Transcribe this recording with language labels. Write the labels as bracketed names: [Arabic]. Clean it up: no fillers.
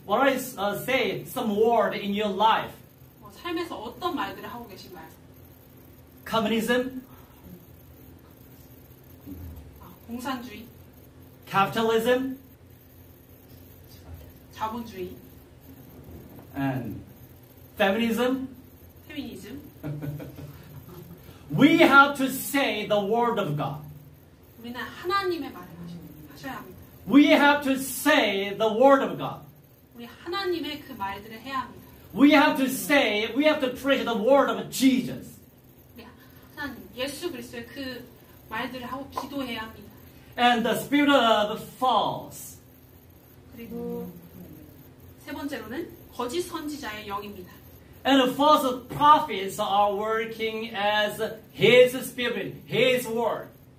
[English] What are you say some word in your life? [Korean] 삶에서 어떤 말들을 하고 계신가요? [English] Communism? [Korean] 아, 공산주의? [English] Capitalism? [Korean] 자본주의? [English] And feminism? Feminism? We have to say the word of God. [Korean] 우리는 하나님의 말을 하셔야 합니다. [English] We have to say the word of God. [Korean] 우리 하나님의 그 말들을 해야 합니다. [English] We have to say, we have to preach the word of Jesus. [Korean] 하나님, 예수 그리스도의 그 말들을 하고 기도해야 합니다. [English] And the spirit of false. [Korean] 그리고 세 번째로는 거짓 선지자의 영입니다. [English] And the false prophets are working as his spirit, his word.